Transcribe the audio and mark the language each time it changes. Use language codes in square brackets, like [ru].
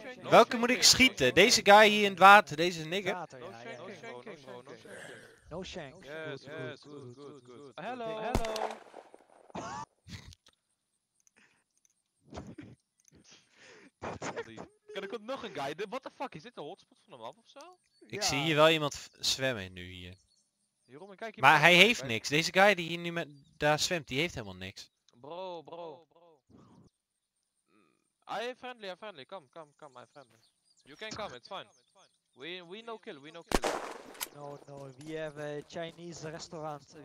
[nl] Welke moet ik schieten? Deze guy hier in het water, deze nigger? [en] No shanking, bro, no shanking. No shank. Yes, yes, good, good, good, good, good, good, good. Hello, hello. [nl] Er komt nog een guy. [en] What the fuck, [nl] is dit de hotspot van de map of zo? Ik zie hier wel iemand zwemmen nu hier. Jeroen, kijk hier maar hij heeft niks. Deze guy die hier nu met daar zwemt, die heeft helemaal niks. [en] Bro, bro, bro. I am friendly, I'm friendly. Come, come, come, I'm friendly. You can come, it's fine. We no kill, we no kill. No, no, we have a Chinese restaurant.